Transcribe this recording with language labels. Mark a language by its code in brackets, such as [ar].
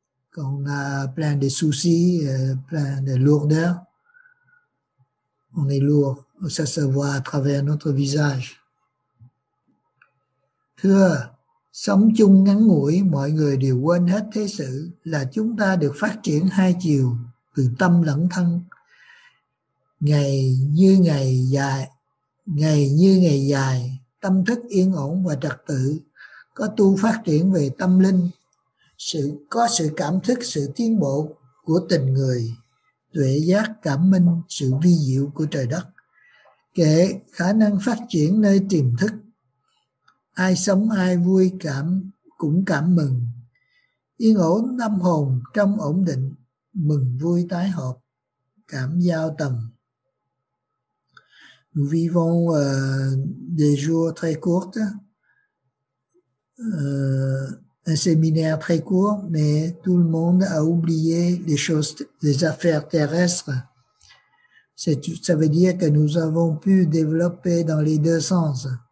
[fr] Quand on a plein de soucis, plein de lourdeur, on est lourd. Ça se voit à travers notre visage. [vi] Thưa, sống chung ngắn ngủi, mọi người đều quên hết thế sự, là chúng ta được phát triển hai chiều, từ tâm lẫn thân. Ngày như ngày dài, ngày như ngày dài, tâm thức yên ổn và trật tự, có tu phát triển về tâm linh, sự có sự cảm thức sự tiến bộ của tình người, tuệ giác cảm minh sự vi diệu của trời đất, kể khả năng phát triển nơi tiềm thức. Ai sống ai vui cảm cũng cảm mừng. Yên ổn tâm hồn trong ổn định, mừng vui tái hợp, cảm giao tầm. [fr] Nous vivons des jours très courts, un séminaire très court, mais tout le monde a oublié les choses, les affaires terrestres. Ça veut dire que nous avons pu développer dans les deux sens.